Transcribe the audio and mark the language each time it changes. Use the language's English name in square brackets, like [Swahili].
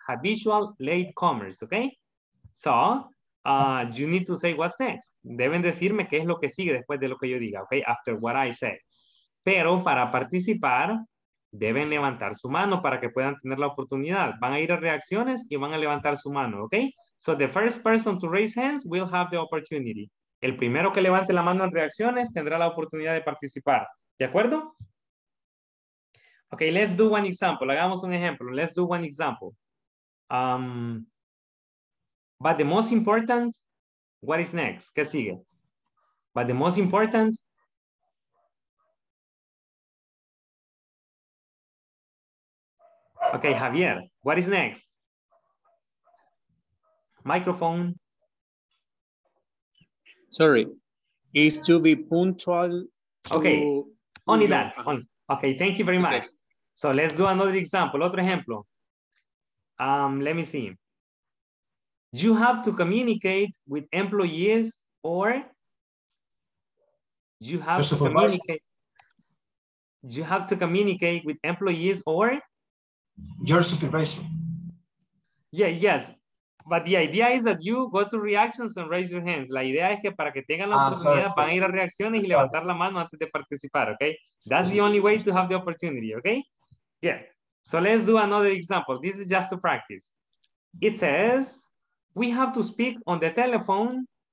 [English] Habitual late comers, okay? So, you need to say what's next. [Spanish] Deben decirme qué es lo que sigue después de lo que yo diga, okay? [English] After what I say. [Spanish] Pero para participar, deben levantar su mano para que puedan tener la oportunidad. Van a ir a reacciones y van a levantar su mano, okay? [English] So the first person to raise hands will have the opportunity. [Spanish] El primero que levante la mano en reacciones tendrá la oportunidad de participar. ¿De acuerdo? [English] Okay, let's do one example. [Spanish] Hagamos un ejemplo. [English] Let's do one example. But the most important, what is next? [Spanish] ¿Qué sigue? [English] But the most important, okay, Javier, what is next? Microphone. Sorry, is to be punctual. Okay, only that. Okay, thank you very much. So let's do another example, [Spanish] otro ejemplo. [English] Let me see. You have to communicate with employees or you have to communicate. You have to communicate with employees or your supervisor. Yeah, yes. But the idea is that you go to reactions and raise your hands. [Spanish] La idea es que para que tengan la oportunidad van a ir a reacciones y levantar la mano antes de participar, okay? [English] That's the only way to have the opportunity, okay? Yeah. So let's do another example. This is just to practice. It says, we have to speak on the telephone.